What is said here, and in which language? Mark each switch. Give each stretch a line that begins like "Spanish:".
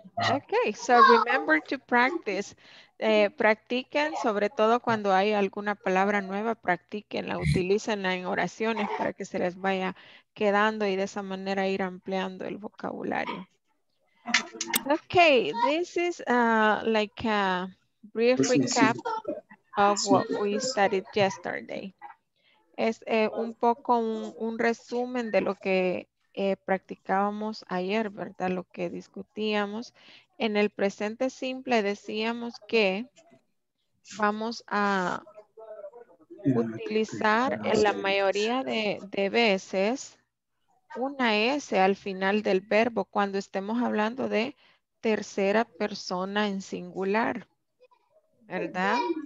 English: Okay, so remember to practice.
Spanish: Practiquen, sobre todo cuando hay alguna palabra nueva, practiquenla, utilícenla en oraciones para que se les vaya quedando y de esa manera ir ampliando el vocabulario.
English: Okay, this is like a brief recap of what we studied yesterday.
Spanish: Es un poco un resumen de lo que practicábamos ayer, ¿verdad? Lo que discutíamos. En el presente simple decíamos que vamos a utilizar en la mayoría de veces una S al final del verbo cuando estemos hablando de tercera persona en singular, ¿verdad?